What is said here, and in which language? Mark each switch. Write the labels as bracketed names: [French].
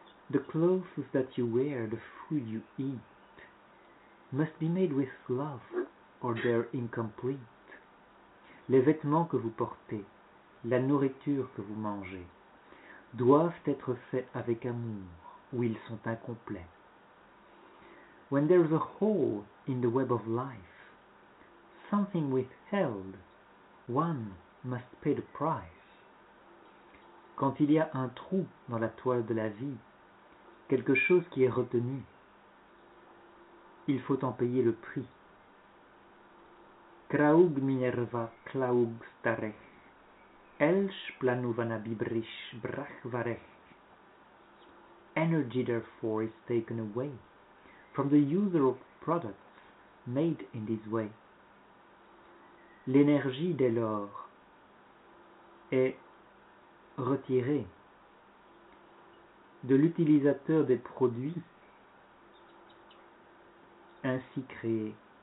[English] The clothes that you wear, the food you eat, must be made with love, or they're incomplete. [French] Les vêtements que vous portez, la nourriture que vous mangez, doivent être faits avec amour, ou ils sont incomplets. [English] When there is a hole in the web of life, something withheld, one must pay the price. [French] Quand il y a un trou dans la toile de la vie, quelque chose qui est retenu, il faut en payer le prix. Kraug minerva klaug starech, elsh planuvana bibrish brachvarech. [English] Energy, therefore, is taken away from the user of products made in this way. [French] L'énergie dès lors est retirée de l'utilisateur des produits ainsi créés.